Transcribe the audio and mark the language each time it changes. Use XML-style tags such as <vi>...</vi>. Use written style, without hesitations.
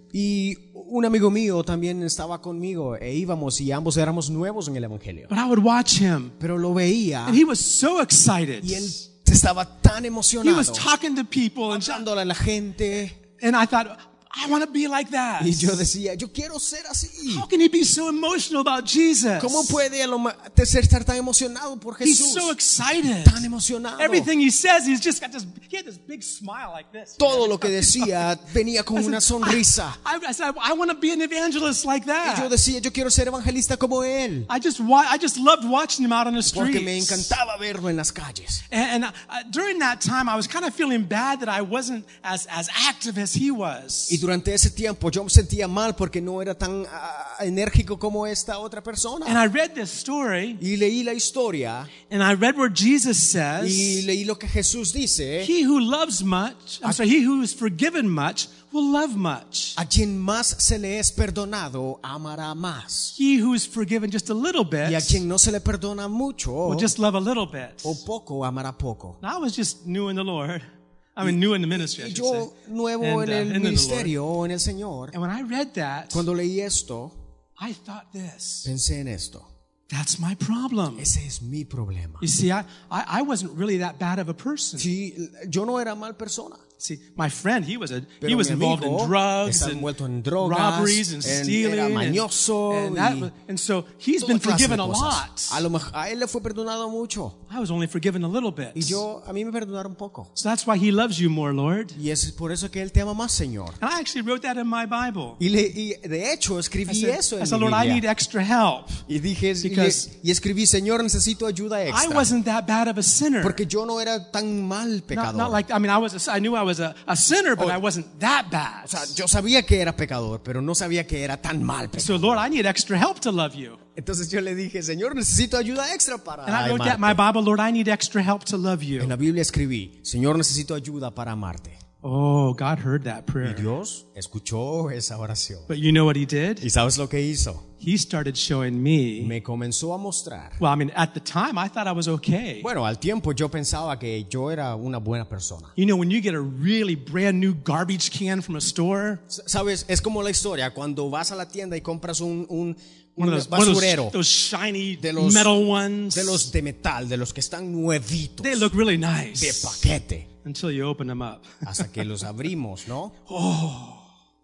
<es>Y un amigo mío también estaba conmigo e íbamos y ambos éramos nuevos en el evangelio.</es> <en>But I would watch him.</en> <es>Pero lo veía.</es> <en>And he was so excited.</en> <es>Y él estaba tan emocionado.</es> <en>He was talking to people and</en> <es>hablándole a la gente.</es> <en>And I thought, I want to be like that.</en> <es>Y yo decía, yo quiero ser así.</es> <en>How can he be so emotional about Jesus?</en> <es>¿Cómo puede él estar tan emocionado por Jesús?</es> <en>He's so excited.</en> <es>Tan emocionado.</es> <en>Everything he says, he's just got this. He had this big smile like this.</en> <es>Todo lo que decía venía con una sonrisa.</es> <en>I want to be an evangelist like that.</en> <es>Y yo decía, yo quiero ser evangelista como él.</es> <en>I just loved watching him out on the streets.</en> <es>Porque me encantaba verlo en las calles.</es> <en>And during that time, I was kind of feeling bad that I wasn't as active as he was.</en> <es>Y durante ese tiempo yo me sentía mal porque no era tan enérgico como esta otra persona.</es> <en>And I read this story.</en> <es>Y leí la historia.</es> <en>And I read where Jesus says.</en> <es>Y leí lo que Jesús dice.</es> <en>He who loves much, he who is forgiven much, will love much.</en> <es>A quien más se le es perdonado amará más.</es> <en>He who is forgiven just a little bit.</en> <es>Y a quien no se le perdona mucho.</es> <en>Will just love a little bit.</en> <es>O poco amará poco.</es> <en>I was just new in the Lord. I mean, new in the ministry.</en> <es>Yo nuevo en el ministerio o en el Señor.</es> <en>And when I read that,</en> <es>cuando leí esto,</es> <en>I thought this.</en> <es>Pensé en esto.</es> <en>That's my problem.</en> <es>Ese es mi problema.</es> <en>You see, I wasn't really that bad of a person.</en> <es>Sí, yo no era mal persona.</es> <en>See, my friend, he was involved in drugs and</en> <es>drogas,</es> <en>robberies and stealing.</en> <es>Era mañoso,</es> <en>and so he's been forgiven a lot.</en> <es>A él le fue perdonado mucho.</es> <en>I was only forgiven a little bit.</en> <es>Y yo, a mí me perdonaron poco.</es> <en>So that's why he loves you more, Lord.</en> <es>Y es por eso que él te ama más, Señor.</es> <en>And I actually wrote that in my Bible.</en> <es>Y de hecho, escribí</es> <en>I said,</en> <es>eso</es> <en>I said</en> <es>en</es> <en>Lord,</en> <es>Biblia.</es> <en>I need extra help.</en> <es>Y dije,</es> <en>because</en> <es>y escribí, Señor, necesito ayuda extra.</es> <en>I wasn't that bad of a sinner.</en> <es>Porque yo no era tan mal pecador.</es> <en>Not like, I mean, I knew I was a sinner, but I wasn't that bad.</en> <es>O sea, yo sabía que era pecador, pero no sabía que era tan mal pecador.</es> <en>So, Lord, I need extra help to love you.</en> <es>Entonces yo le dije, Señor, necesito ayuda extra para amarte.</es> <en>And I wrote that in my Bible, Lord, I need extra help to love you.</en> <es>En la Biblia escribí, Señor, necesito ayuda para amarte.</es> <en>Oh, God heard that prayer.</en> <es>Y Dios escuchó esa oración.</es> <en>But you know what he did?</en> <es>¿Y sabes lo que hizo?</es> <en>He started showing me.</en> <es>Me comenzó a mostrar.</es> <en>Well, I mean, at the time, I thought I was okay.</en> <es>Bueno, al tiempo yo pensaba que yo era una buena persona.</es> <en>You know, when you get a really brand new garbage can from a store.</en> <es>Sabes, es como la historia cuando vas a la tienda y compras un</es> <en>those shiny metal ones.</en> <es>De los de metal, de los que están nuevitos.</es> <en>They look really nice.</en> <es>De paquete.</es> <en>Until you open them up.</en> <es>Hasta que los abrimos, ¿no? Oh,</es>